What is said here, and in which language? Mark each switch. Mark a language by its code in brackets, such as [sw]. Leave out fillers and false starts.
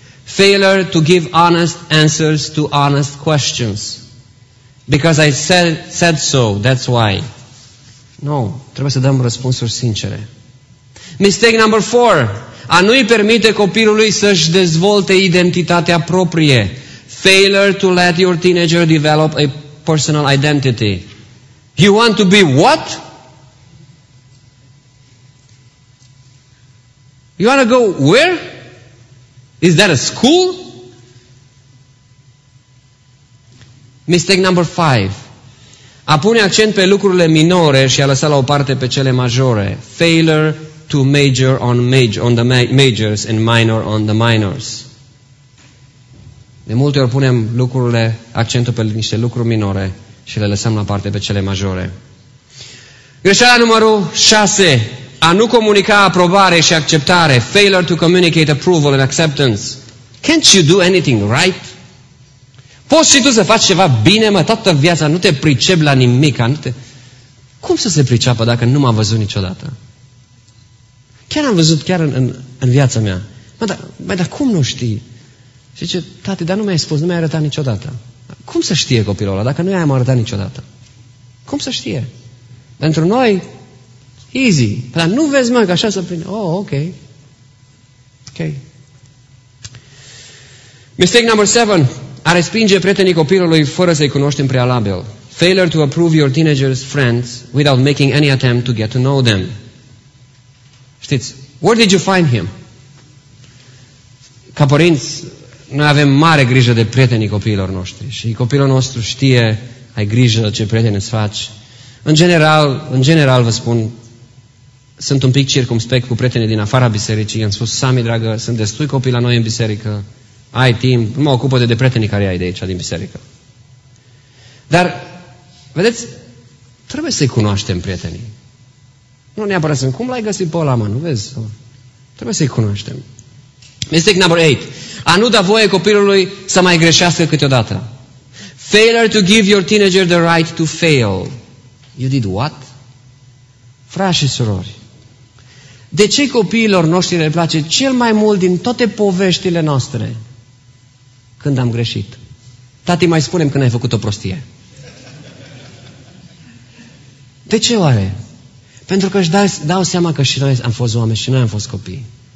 [en] Failure to give honest answers to honest questions. Because I said so, that's why. No, [ro] trebuie să dăm răspunsuri sincere. [en] Mistake number 4. [ro] A nu-i permite copilului să-și dezvolte identitatea proprie. [en] Failure to let your teenager develop a personal identity. You want to be what? You want to go where? Is that a school? Mistake number 5. [ro] A pune accent pe lucrurile minore și a lăsa la o parte pe cele majore. [en] Failure to major on the majors and minor on the minors. [ro] De multe ori punem lucrurile, accentul pe niște lucruri minore și le lăsăm la parte pe cele majore. Greșeala numărul 6. A nu comunica aprobare și acceptare. [en] Failure to communicate approval and acceptance. Can't you do anything right? [ro] Poți și tu să faci ceva bine, mă, toată viața, nu te pricepi la nimic. Cum să se priceapă dacă nu m-am văzut niciodată? Chiar am văzut, chiar în viața mea. Dar cum nu știi? Și zice, tate, dar nu mi-ai spus, nu mi-ai arătat niciodată. Cum să știe copilul ăla dacă nu i-am arătat niciodată? Cum să știe? Pentru noi, [en] easy. [ro] Dar nu vezi, mă, că așa se prinde. Oh, ok. Ok. [en] Mistake number 7. [ro] A respinge prietenii copilului fără să-i cunoști în prealabil. [en] Failure to approve your teenager's friends without making any attempt to get to know them. [ro] Știți, [en] where did you find him? [ro] Ca părinți, noi avem mare grijă de prietenii copiilor noștri. Și copilul nostru știe, ai grijă ce prieteni îți faci. În general, vă spun, sunt un pic circumspect cu prietenii din afara bisericii. Am spus, Sami, dragă, sunt destui copii la noi în biserică. Ai timp, nu mă ocupă de prietenii care ai de aici, din biserică. Dar, vedeți, trebuie să-i cunoaștem prietenii. Nu neapărat sunt, cum l-ai găsit pe ăla, mă, nu vezi? Trebuie să-i cunoaștem. [en] Mistake number 8. [ro] A nu da voie copilului să mai greșească câteodată. [en] Failure to give your teenager the right to fail. You did what? [ro] Frați și surori, de ce copiilor noștri le place cel mai mult din toate poveștile noastre? Când am greșit. Tati, mai spune-mi când ai făcut o prostie. De ce oare? Pentru că își dau seama că și noi am fost oameni și noi am fost copii.